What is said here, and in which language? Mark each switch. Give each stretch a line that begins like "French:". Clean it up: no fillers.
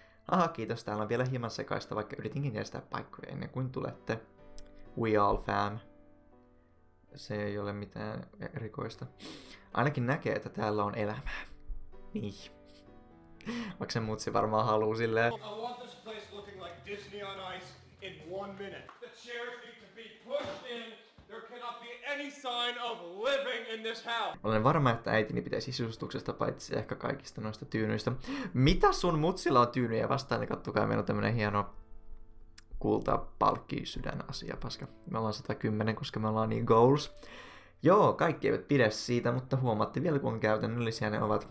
Finnish: Aha, kiitos, täällä on vielä hieman sekaista, vaikka yritinkin järjestää paikkoja ennen kuin tulette.
English: We all fam.
Finnish: Se ei ole mitään erikoista. Ainakin näkee, että täällä on elämää. Niin. Vaikka se mutsi varmaan haluu silleen.
English: I want this place looking like Disney on ice in one minute. The chairs need to be pushed in. There cannot be any sign of living in this house.
Finnish: Olen varma, että äitini pitäisi sisustuksesta paitsi ehkä kaikista noista tyynyistä. Mitä sun mutsilla on tyynyjä vastaan? Ja kattokaa, meillä on tämmönen hieno kulta palkki sydän asia paska. Me ollaan 110, koska me ollaan niin goals. Joo, kaikki eivät pidä siitä, mutta huomaatte vielä, kun käytännöllisiä ne ovat.